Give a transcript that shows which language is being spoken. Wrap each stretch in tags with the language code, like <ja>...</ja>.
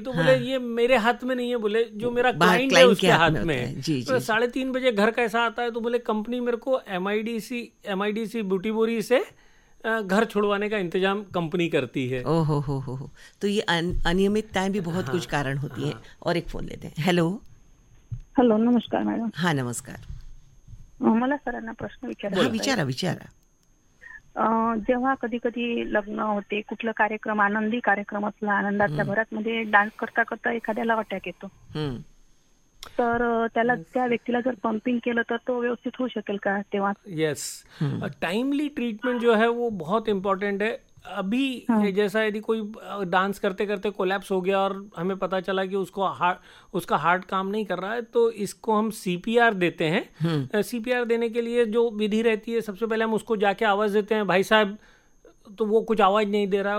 <hi>तो बोले ये मेरे हाथ में नहीं है, बोले जो मेरा क्लाइंट है उसके हाथ में है। 3:30 बजे घर कैसा आता है? तो बोले कंपनी मेरे को MIDC ब्यूटी बोरी से घर छुड़वाने का इंतजाम कंपनी करती है। ओहो, तो ये अनियमितताएं भी बहुत कुछ कारण होती है। और एक फोन लेते हैं। हेलो हेलो, नमस्कार मैडम। हाँ नमस्कार,</hi> <mr>मला सरांना प्रश्न विचारायचा आहे। विचारा विचारा। जेव्हा कधी कधी लग्न होते, कुठला कार्यक्रम आनंदी कार्यक्रम असला, आनंदाच्या भरात मध्ये डान्स करता करता एखाद्याला अटॅक येतो, तर त्याला त्या व्यक्तीला जर पंपिंग केलं तर तो व्यवस्थित होऊ शकेल का तेव्हा?</mr> <hi>येस, टाइमली ट्रीटमेंट जो है वो बहुत इम्पॉर्टेंट है। अभी जैसा यदि कोई डांस करते करते कोलैप्स हो गया और हमें पता चला कि उसको उसका हार्ट काम नहीं कर रहा है, तो इसको हम CPR देते हैं। CPR देने के लिए जो विधि रहती है, सबसे पहले हम उसको जाके आवाज़ देते हैं, भाई साहब, तो वो कुछ आवाज़ नहीं दे रहा है।</hi>